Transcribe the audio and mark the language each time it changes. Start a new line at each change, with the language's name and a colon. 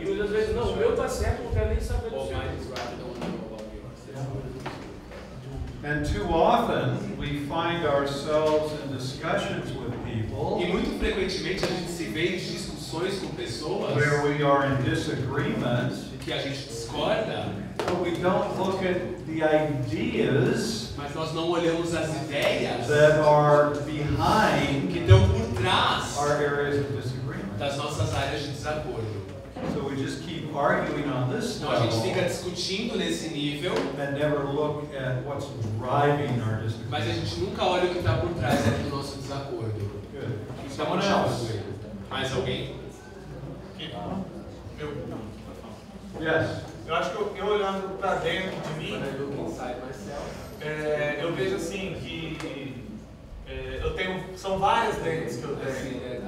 Portuguese: E muitas vezes, não, o meu está certo, não quero nem saber do certo.
English: Is right, I don't want to know about yours. And too often we find ourselves in discussions with people.
Portuguese: E muito frequentemente a gente se vê em discussões com pessoas.
English: Where we are in disagreement.
Portuguese: Que a gente discorda.
English: But we don't look at the ideas.
Portuguese: Mas nós não olhamos as ideias.
English: That are behind.
Portuguese: Que estão por trás.
English: Our areas of disagreement.
Portuguese: Das nossas áreas de desacordo.
English: So we just keep arguing on this level.
Portuguese: A gente fica discutindo nesse nível.
English: And never look at what's driving our disagreement.
Portuguese: Mas a gente nunca olha o que está por trás do nosso desacordo.
English: Good. Someone else.
Portuguese: Mais alguém? Eu.
English: Yes.
Portuguese: Eu acho que eu olhando para dentro de mim, eu vejo assim que eu tenho, são várias lentes que eu tenho.